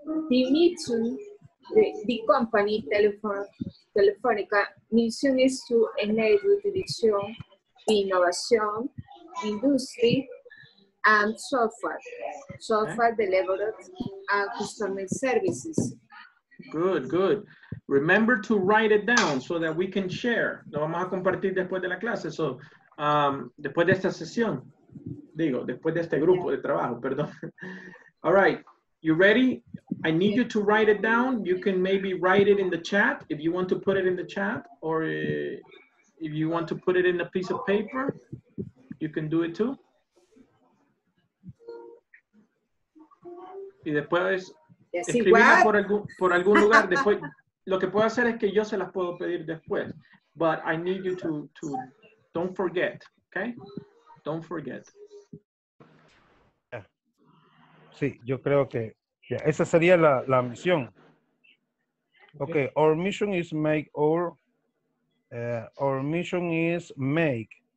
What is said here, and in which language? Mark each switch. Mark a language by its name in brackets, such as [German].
[English] The mission, the company Telefónica mission is to enable the vision, the innovation, the industry, and software delivered and customer services. Good, good. Remember to write it down so that we can share. [Spanish] Lo vamos a compartir después de la clase. So, después de esta sesión. Digo, después de este grupo de trabajo, perdón. [English] All right, you ready? I need you to write it down. You can maybe write it in the chat if you want to put it in the chat, or if you want to put it in a piece of paper, you can do it too. [Spanish] Y después, [English] yes, [Spanish] escribirla por algún lugar. Después, lo que puedo hacer es que yo se las puedo pedir después. [English] But I need you to don't forget, okay? Don't forget. [Spanish] Sí, yo creo que yeah, esa sería la misión. [English] Okay, our mission is make our mission is make.